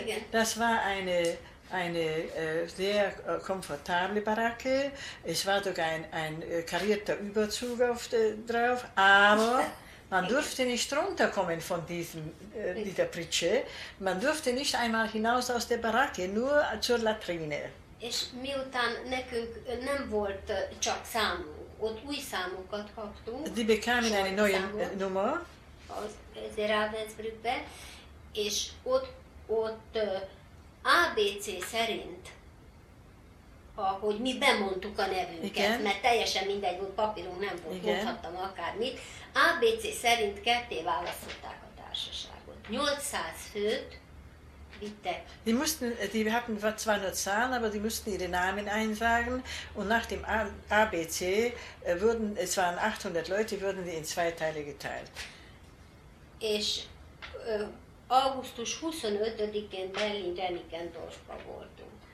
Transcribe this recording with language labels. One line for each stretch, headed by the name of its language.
German: Das war eine sehr komfortable Baracke, es war sogar ein karierter Überzug drauf, aber man durfte nicht runterkommen von dieser Pritsche, man durfte nicht einmal hinaus aus der Baracke, nur zur Latrine.
Hungarian: És miután nekünk nem volt csak számunk, ott új számunkat kaptunk.
German: Die bekamen eine neue Nummer.
Hungarian: Az Ravensbrückbe, és ott ABC szerint, ahogy mi bemondtuk a nevünket, igen, mert teljesen mindegy volt, papírunk nem volt, igen, mondhattam akármit, ABC szerint ketté választották a társaságot. 800 főt vittek.
German: Die hatten zwar nur Zahlen, aber die mussten ihre Namen einsagen, und nach dem ABC, es waren 800 Leute, wurden sie in zwei Teile geteilt.
Hungarian: És augusztus 25-én Berlin Renickendorfba voltunk.